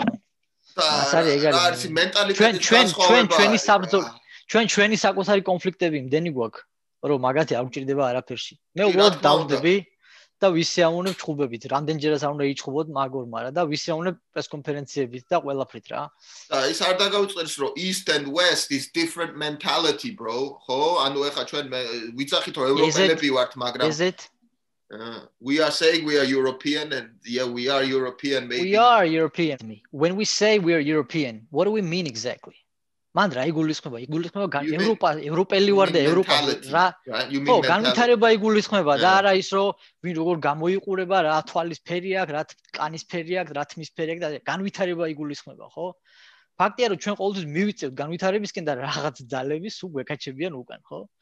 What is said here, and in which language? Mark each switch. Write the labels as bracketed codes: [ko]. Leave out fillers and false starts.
[ka] ეს არის ეგარი ჩვენი საბრძოლო ჩვენი საკუთარი კონფლიქტები იმდენი გვაქვს რომ მაგათი არ უჭირდება არაფერში მე უბრალოდ დავდები და ვისეაუნებ ჩხუბებით, რამდენჯერაც არ უნდა იჩხუბოთ მაგორმა რა და ვისეაუნებ პრეს კონფერენციებით და ყველაფრით რა. და ის არ დაგავიწყდეს რომ [en] East and West is different mentality, bro. [ka] ხო, ანუ ეხა ჩვენ ვიცახით რომ ევროპელები ვართ, მაგრამ Is it? We are saying we are European and yeah, we are European maybe. We are European. When we say we are European, what do we mean exactly? მან რა იგულისხმება? იგულისხმება ევროპა, ევროპელი ვარ და ევროპა რა? ხო, განვითარება იგულისხმება და არა ის რომ ვინ როგორ გამოიყურება, რა თვალის ფერი აქვს, რა კანის ფერი აქვს, რა თმის ფერი აქვს და განვითარება იგულისხმება, ხო? ფაქტია რომ ჩვენ ყოველთვის მივიწევთ განვითარებისკენ და რაღაც ძალები სულ გვექაჩებიან უკან, ხო?